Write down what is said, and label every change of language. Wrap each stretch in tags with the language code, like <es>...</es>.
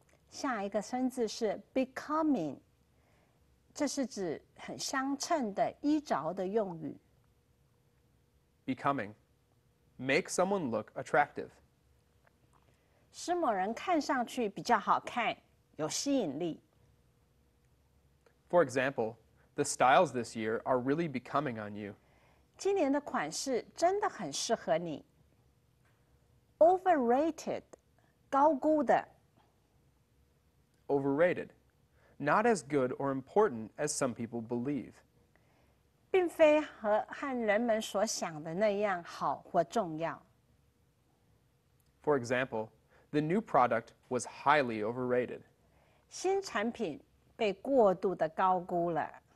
<zh>下一个生字是 becoming, 这是指很相称的衣着的用语。</zh> <en>Becoming, make someone look attractive.</en> <zh>使某人看上去比较好看，有吸引力。</zh> <en>For example, the styles this year are really becoming on you.</en> <zh>今年的款式真的很适合你。 Overrated, 高估的。</zh> <en>Overrated, not as good or important as some people believe.</en> <zh>并非和人们所想的那样好或重要。</zh> <en>For example, the new product was highly overrated.</en> <zh>新产品被过度的高估了。</zh>